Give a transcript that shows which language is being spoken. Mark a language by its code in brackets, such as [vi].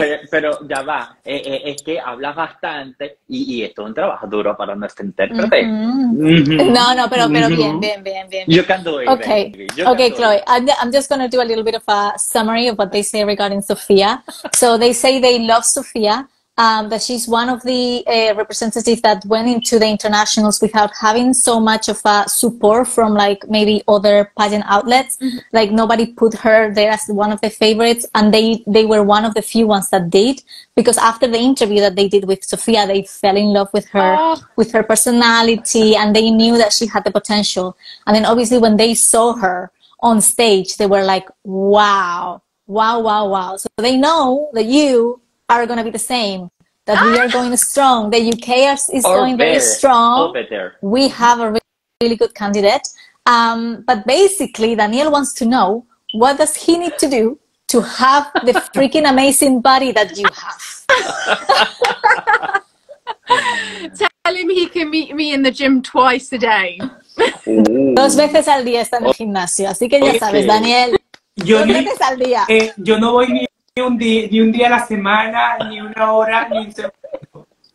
[es] Pero ya va, es que hablas bastante y esto es un trabajo duro para nuestro intérprete. Mm-hmm. Mm-hmm. No, pero mm-hmm. bien. [en] You can do it. Okay, Chloe, I'm just going to do a little bit of a summary of what they say regarding Sofía. So they say they love Sofía. That she's one of the representatives that went into the internationals without having so much of support from like maybe other pageant outlets. Mm-hmm. Like nobody put her there as one of the favorites, and they were one of the few ones that did, because after the interview that they did with Sofía, they fell in love with her, with her personality, and they knew that she had the potential. And then obviously when they saw her on stage, they were like, wow. So they know that you are going to be the same, that we are going strong, the UK is going very strong, we have a really good candidate. But basically, Daniel wants to know, what does he need to do to have the freaking amazing body that you have? Tell him he can meet me in the gym twice a day. [es] Dos veces al día está en el gimnasio, así que ya sabes, Daniel, veces al día. Yo no voy ni un día a la semana, ni una hora, ni un